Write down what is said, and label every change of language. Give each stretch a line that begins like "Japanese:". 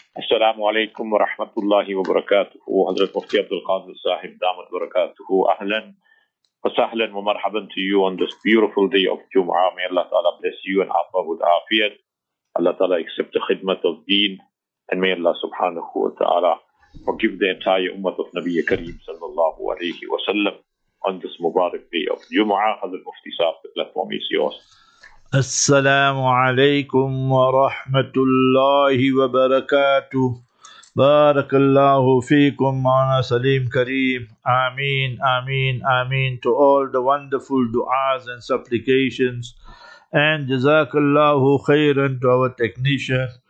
Arabic: السلام عليكم ورحمة الله وبركاته وحضرة مفتي عبد القادر صاحب دامة بركاته أهلا وسهلا ومرحبا
English: to you on this beautiful day of Jum'ah. May Allah Ta'ala bless you and Afa with Afiyat. Allah Ta'ala accept the khidmat of Deen and may Allah Subhanahu wa Ta'ala forgive the entire Ummah of Nabi Kareem Sallallahu Alaihi Wasallam on this Mubarak day of Jum'ah. Hazrat Mufti Sahib, the platform is yours.
Arabic: السلام عليكم ورحمة الله وبركاته بارك الله فيكم معنا سليم كريم آمين آمين آمين
English: to all the wonderful du'as and supplications and
Arabic: جزاك الله خيرا
English: to our technician